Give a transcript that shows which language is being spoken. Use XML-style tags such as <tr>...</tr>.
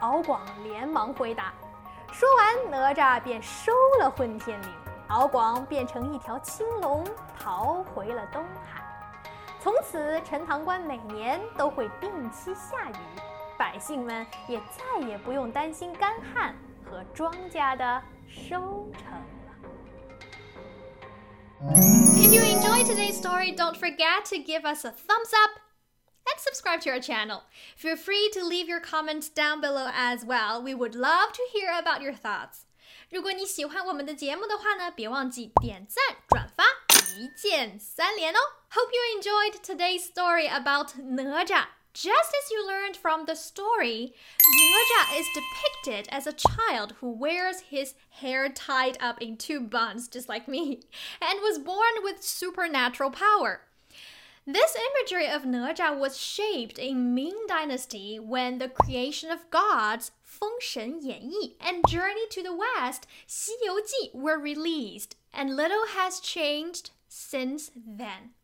<zh>敖广连忙回答。说完，哪吒便收了混天绫，敖广变成一条青龙逃回了东海。从此陈塘关每年都会定期下雨，百姓们也再也不用担心干旱和庄稼的收成。</zh> <en>If you enjoyed today's story, don't forget to give us a thumbs up and subscribe to our channel. Feel free to leave your comments down below as well. We would love to hear about your thoughts.</en> <zh>如果你喜欢我们的节目的话呢，别忘记点赞、转发，一键三连哦。</zh> <en>Hope you enjoyed today's story about 哪吒。 Just as you learned from the story, Raja is depicted as a child who wears his hair tied up in two buns, just like me, and was born with supernatural power. This imagery of Raja was shaped in Ming Dynasty when the creation of gods, Feng Shen Yan Yi, and Journey to the West, Xi Yu Ji, were released, and little has changed since then.</en>